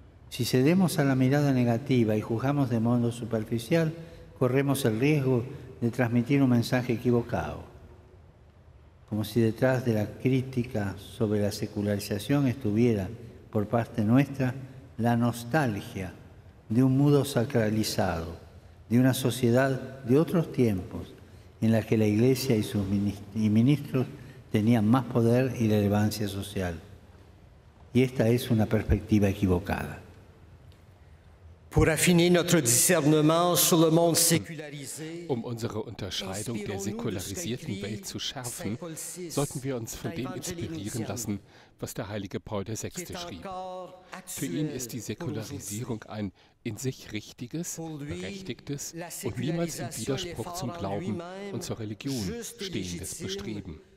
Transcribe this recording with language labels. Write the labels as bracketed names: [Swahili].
[Spanish] Si cedemos a la mirada negativa y juzgamos de modo superficial, corremos el riesgo de transmitir un mensaje equivocado, como si detrás de la crítica sobre la secularización estuviera, por parte nuestra, la nostalgia de un mundo sacralizado, de una sociedad de otros tiempos, en la que la Iglesia y sus ministros tenían más poder y relevancia social. Y esta es una perspectiva equivocada. [French] Pour affiner notre discernement sur le monde sécularisé, [German] unsere Unterscheidung der säkularisierten Welt zu schärfen, sollten wir uns von dem inspirieren lassen, was der heilige Paul VI. Schrieb. Für ihn ist die Säkularisierung ein in sich richtiges, berechtigtes und niemals im Widerspruch zum Glauben und zur Religion stehendes Bestreben.